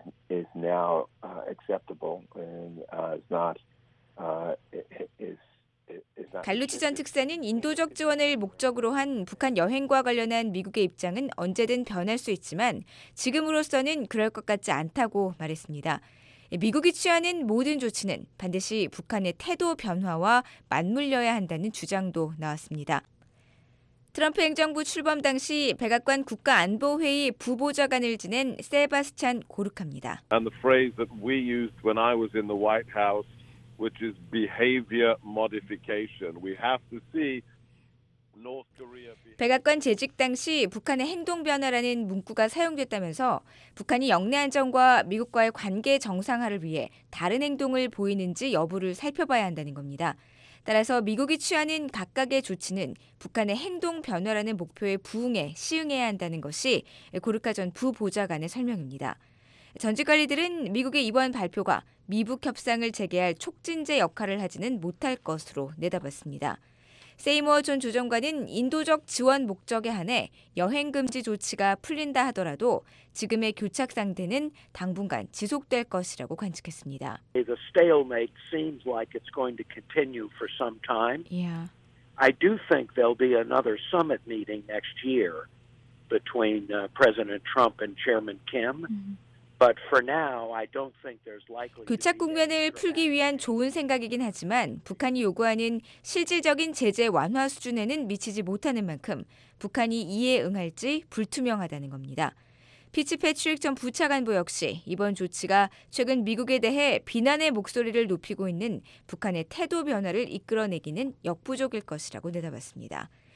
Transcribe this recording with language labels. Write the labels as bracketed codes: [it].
[en] Is now acceptable and is not is is not. [ko] 갈루치 전 특사는 인도적 지원을 목적으로 한 북한 여행과 관련한 미국의 입장은 언제든 변할 수 있지만 지금으로서는 그럴 것 같지 않다고 말했습니다. 미국이 취하는 모든 조치는 반드시 북한의 태도 변화와 맞물려야 한다는 주장도 나왔습니다. 트럼프 행정부 출범 당시 백악관 국가안보회의 부보좌관을 지낸 세바스찬 고르카입니다. [en] And the phrase that we used when I was in the White House, which is behavior modification. We have to see North Korea. [ko] 백악관 재직 당시 북한의 행동 변화라는 문구가 사용됐다면서 북한이 영내 안정과 미국과의 관계 정상화를 위해 다른 행동을 보이는지 여부를 살펴봐야 한다는 겁니다. 따라서 미국이 취하는 각각의 조치는 북한의 행동 변화라는 목표에 부응해 시행해야 한다는 것이 고르카 전 부보좌관의 설명입니다. 전직 관리들은 미국의 이번 발표가 미북 협상을 재개할 촉진제 역할을 하지는 못할 것으로 내다봤습니다. 세이머 존 조정관은 인도적 지원 목적에 한해 여행 금지 조치가 풀린다 하더라도 지금의 교착 상태는 당분간 지속될 것이라고 관측했습니다. [en] The stalemate seems like it's going to continue for some time. Yeah. I do think there'll be another summit meeting next year between President Trump and Chairman Kim. Mm-hmm. But for now, I don't think there's likely. [ko] 교착 국면을 풀기 위한 좋은 생각이긴 하지만 북한이 요구하는 실질적인 제재 완화 수준에는 미치지 못하는 만큼 북한이 이에 응할지 불투명하다는 겁니다. 피츠 패트릭 전 부차관보 역시 이번 조치가 최근 미국에 대해 비난의 목소리를 높이고 있는 북한의 태도 변화를 이끌어내기는 역부족일 것이라고 내다봤습니다.